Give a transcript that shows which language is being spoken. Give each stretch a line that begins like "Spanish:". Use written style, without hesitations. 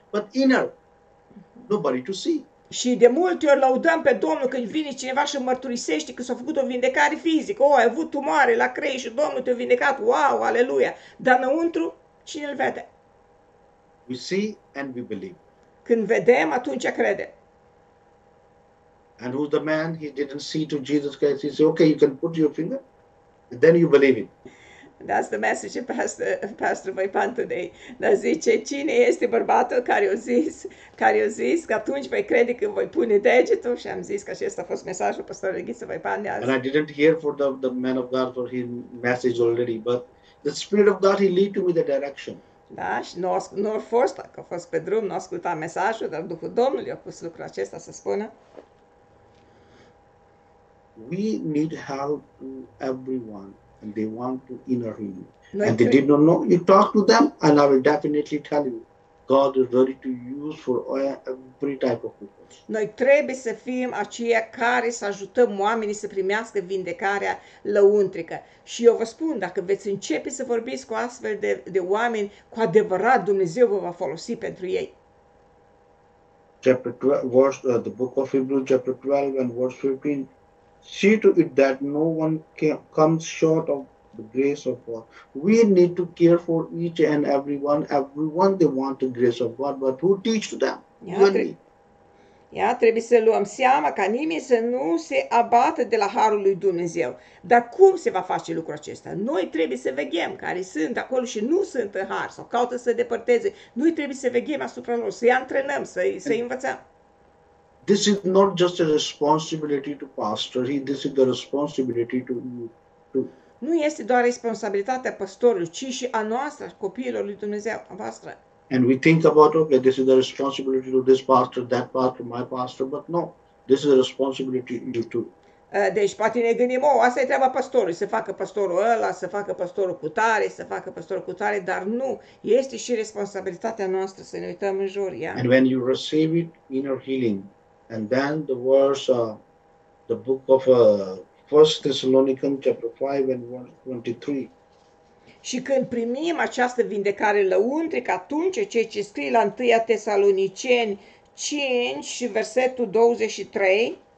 English: But inner, nobody to see.
Romanian: Și de multe ori laudăm pe Domnul când vine cineva și mărturisește că s-a făcut o vindecare fizică. Oh, ai avut tumoare la creier și Domnul te-a vindecat. Wow, aleluia. Dar înăuntru, cine îl vede?
English: We see and we believe.
Romanian: Când vedem, atunci credem.
English: And who's the man? He didn't see to Jesus Christ. He said, okay, you can put your finger, and then you believe it. That's the message of Pastor Vaipan today.
Romanian: Dar zice, cine este bărbatul care a zis că atunci vei crede când voi pune degetul? Și am zis că acesta a fost mesajul pastorului Ghiță Vaipan de azi.
English: And I didn't hear for the man of God for his message already, but the Spirit of God, he lead to me the direction.
Romanian: Da, și nu a fost, dacă a fost pe drum, nu a ascultat mesajul, dar Duhul Domnului a pus lucrul acesta să spună.
English: We need help to everyone and they want to inner you. And they did not know. You talk to them and I will definitely tell you. God is ready to use for every type of people.
Romanian: Noi trebuie să fim aceia care să ajutăm oamenii să primească vindecarea lăuntrică. Și eu vă spun, dacă veți începe să vorbiți cu astfel de oameni, cu adevărat Dumnezeu vă va folosi pentru ei.
English: Chapter 12, verse, the book of Hebrews, chapter 12 and verse 15. See to it that no one comes short of the grace of God. We need to care for each and everyone. Everyone, they want the grace of God, but who teach to them? You and me.
Romanian: Ia, trebuie să luăm seama ca nimeni să nu se abată de la harul lui Dumnezeu. Dar cum se va face lucrul acesta? Noi trebuie să veghem care sunt acolo și nu sunt în har sau caută să depărteze. Noi trebuie să veghem asupra lor, să-i antrenăm, să-i învățăm.
English: This is not just a responsibility to pastor, this is the responsibility to you.
Romanian: Nu este doar responsabilitatea pastorului, ci și a noastră, copiilor lui Dumnezeu, a voastră.
English: And we think about, okay, this is the responsibility to this pastor, that pastor, my pastor, but no, this is the responsibility to you too.
Romanian: Deci poate ne gândim, asta e treaba pastorului, să facă pastorul ăla, să facă pastorul cu tare, să facă pastorul cu tare, dar nu, este și responsabilitatea noastră să ne uităm în jur, ia.
English: And when you receive it in your healing, and then the verse, the book of 1 Thessalonians chapter 5 and verse 23.
Romanian: Și când primim această vindecare lăuntrică, atunci ceea ce scrie la 1 Tesaloniceni 5 și versetul 23.